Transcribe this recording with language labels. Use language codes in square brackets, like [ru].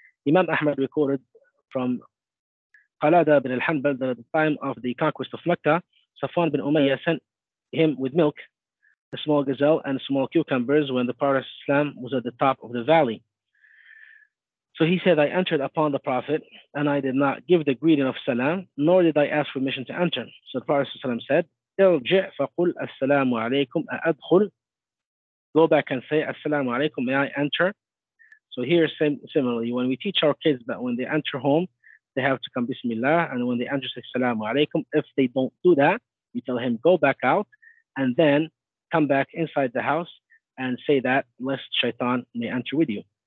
[en] Imam Ahmad recorded from Qalada bin al-Hanbal that at the time of the conquest of Mecca, Safwan bin Umayyah sent him with milk, a small gazelle, and small cucumbers when the Prophet ﷺ was at the top of the valley. So he said, I entered upon the Prophet, and I did not give the greeting of salam, nor did I ask permission to enter. So the Prophet ﷺ said, [ar] ارجع فقل السلام عليكم أدخل. [en] Go back and say assalamu alaikum, may I enter? So here similarly, when we teach our kids that when they enter home, they have to come bismillah, and when they enter say assalamu alaikum. If they don't do that, you tell him go back out and then come back inside the house and say that lest shaitan may enter with you.